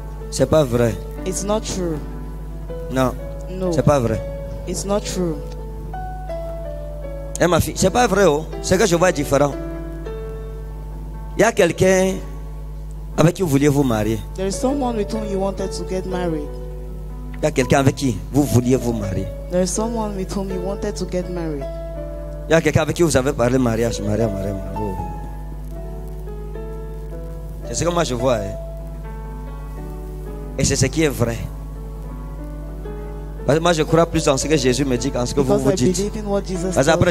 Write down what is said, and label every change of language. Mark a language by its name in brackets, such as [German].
[French] C'est pas vrai. [English] It's not true. [French] Non. [English] No. [French] C'est pas vrai. [English] It's not true. [French] Hey, ma fille, c'est pas vrai, oh. Ce que je vois est différent. Il y a quelqu'un avec qui vous vouliez vous marier. [English] There is someone with whom you wanted to get married. [French] Il y a quelqu'un avec qui vous vouliez vous marier. [English] There is someone with whom you wanted to get married. [French] Il y a quelqu'un avec qui vous avez parlé mariage, mariage, mariage. Oh. C'est ce que moi je vois. Hein. Et c'est ce qui est vrai. Parce que moi je crois plus en ce que Jésus me dit qu'en ce que [English] because [French] vous vous [English] I [French] dites. [English] Believe in what Jesus [French] parce que après